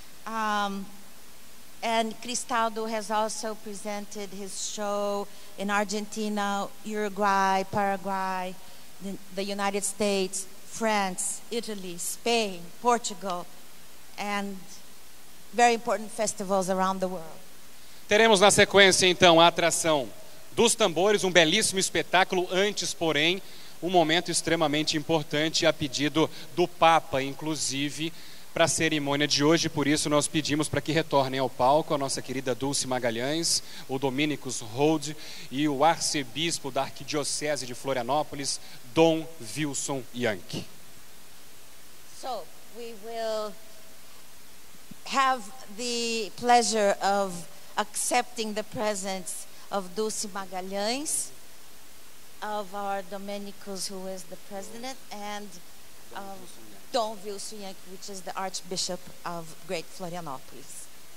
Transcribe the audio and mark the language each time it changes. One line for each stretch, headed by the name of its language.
English: And Cristaldo has also presented his show in Argentina, Uruguay, Paraguay, the United States, France, Italy, Spain, Portugal, and very important festivals around the world.
Portuguese: Teremos na sequência, então, a atração dos tambores, um belíssimo espetáculo. Antes, porém, um momento extremamente importante a pedido do Papa, inclusive, para a cerimônia de hoje. Por isso nós pedimos para que retornem ao palco a nossa querida Dulce Magalhães, o Dominicus Hold e o arcebispo da Arquidiocese de Florianópolis, Dom Wilson Yank.
English: So, we will have the pleasure of accepting the presence of Dulce Magalhães, of our Dominicus, who is the president, and of Dom Wilson Yank, which is the Archbishop of Great Florianópolis.